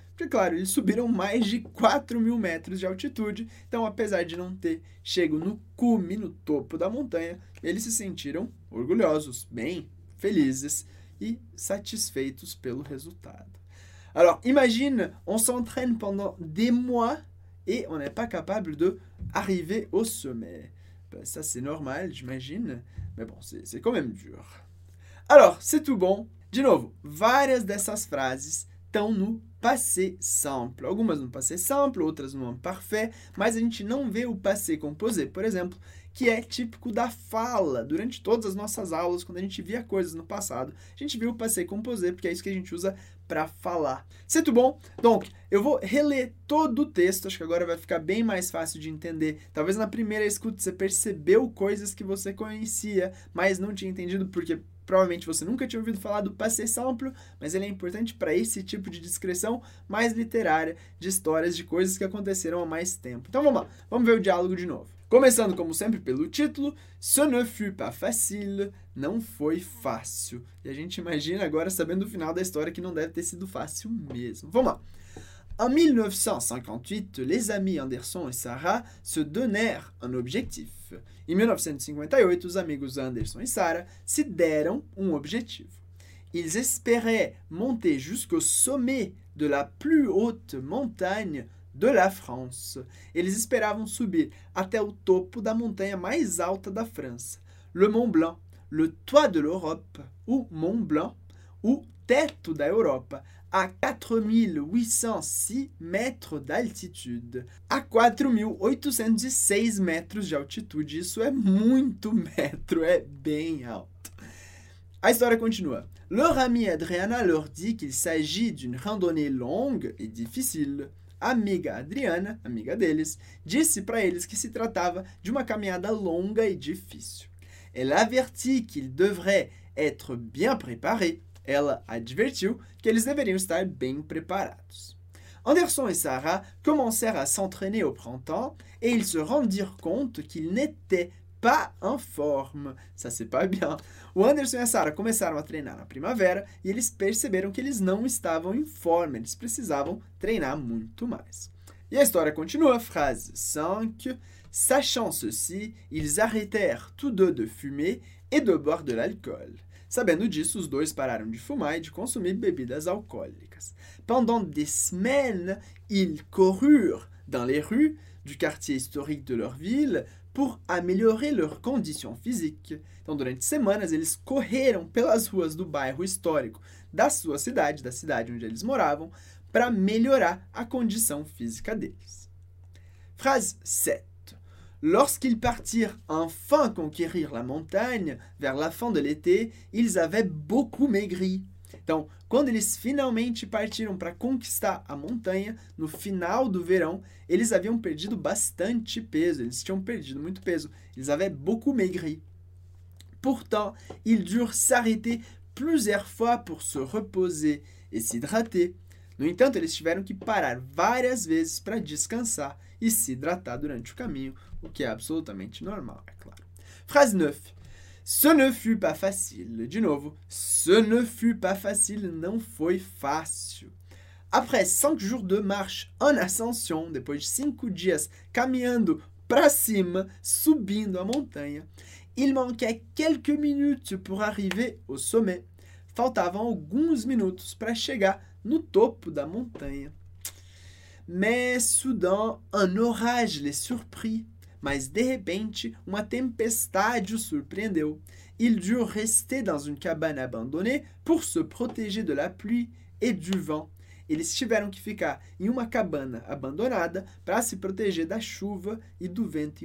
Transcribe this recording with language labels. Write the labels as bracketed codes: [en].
[pt] Porque, claro, eles subiram mais de 4 mil metros de altitude, então, apesar de não ter chego no cume, no topo da montanha, eles se sentiram orgulhosos, bem felizes e satisfeitos pelo resultado. [fr] Alors, imagine, on s'entraîne pendant des mois et on n'est pas capable de arriver au sommet. Ben, ça, c'est normal, j'imagine, mais bon, c'est quand même dur. Alors, c'est tout bon. [pt] De novo, várias dessas frases estão no passé simple. Algumas no passé simple, outras no imparfait, mas a gente não vê o passé composé, por exemplo, que é típico da fala. Durante todas as nossas aulas, quando a gente via coisas no passado, a gente viu o passé composé, porque é isso que a gente usa para falar. [fr] C'est tout bon? [pt] Donc, eu vou reler todo o texto, acho que agora vai ficar bem mais fácil de entender. Talvez na primeira escuta você percebeu coisas que você conhecia, mas não tinha entendido porque provavelmente você nunca tinha ouvido falar do passé simple, mas ele é importante para esse tipo de descrição mais literária de histórias de coisas que aconteceram há mais tempo. Então vamos lá, vamos ver o diálogo de novo. Começando, como sempre, pelo título, [fr] Ce ne fut pas facile, [pt] não foi fácil. E a gente imagina agora, sabendo o final da história, que não deve ter sido fácil mesmo. Vamos lá. [fr] En 1958, les amis Anderson et Sarah se donnèrent un objectif. [pt] Em 1958, os amigos Anderson e Sarah se deram um objetivo. [fr] Ils espéraient monter jusqu'au sommet de la plus haute montagne de la France. [pt] Eles esperavam subir até o topo da montanha mais alta da França, [fr] le Mont Blanc, le toit de l'Europe, [pt] o Mont Blanc, o teto da Europa, a 4.806 metros d'altitude. A 4.806 metros de altitude. Isso é muito metro, é bem alto. A história continua. [fr] Leur ami Adriana leur dit qu'il s'agit d'une randonnée longue et difficile. [pt] A amiga Adriana, amiga deles, disse para eles que se tratava de uma caminhada longa e difícil. [fr] Elle avertit qu'il devrait être bien préparé. [pt] Ela advertiu que eles deveriam estar bem preparados. Anderson e Sarah começaram a [fr] s'entraîner au printemps et ils se rendirent compte qu'ils n'étaient pas en forme. Ça, c'est pas bien. [pt] O Anderson e a Sarah começaram a treinar na primavera e eles perceberam que eles não estavam em forma, eles precisavam treinar muito mais. E a história continua, frase 5. [fr] Sachant ceci, ils arrêtèrent tous deux de fumer et de boire de l'alcool. [pt] Sabendo disso, os dois pararam de fumar e de consumir bebidas alcoólicas. [fr] Pendant des semaines, ils coururent dans les rues du quartier historique de leur ville pour améliorer leurs conditions physiques. [pt] Então, durante semanas, eles correram pelas ruas do bairro histórico da sua cidade, da cidade onde eles moravam, para melhorar a condição física deles. [fr] Phrase 7. Lorsqu'ils partirent enfin conquérir la montagne, vers la fin de l'été, ils avaient beaucoup maigri. [pt] Então, quando eles finalmente partiram para conquistar a montanha, no final do verão, eles haviam perdido bastante peso, eles tinham perdido muito peso. [fr] Ils avaient beaucoup maigri. Pourtant, ils durent s'arrêter plusieurs fois pour se reposer et s'hydrater. [pt] No entanto, eles tiveram que parar várias vezes para descansar e se hidratar durante o caminho, o que é absolutamente normal, é claro. Frase 9. [fr] Ce ne fut pas facile. [pt] De novo, [fr] ce ne fut pas facile, [pt] não foi fácil. [fr] Après 5 jours de marche en ascension, [pt] depois de 5 dias caminhando para cima, subindo a montanha, [fr] il manquait quelques minutes pour arriver au sommet. [pt] Faltavam alguns minutos para chegar no topo da montanha. [fr] Mais soudain, un orage les surprit. [pt] Mas de repente, uma tempestade os surpreendeu. [fr] Ils durent rester dans une cabane abandonnée pour se protéger de la pluie et du vent. [pt] Eles tiveram que ficar em uma cabana abandonada para se proteger da chuva e do vento.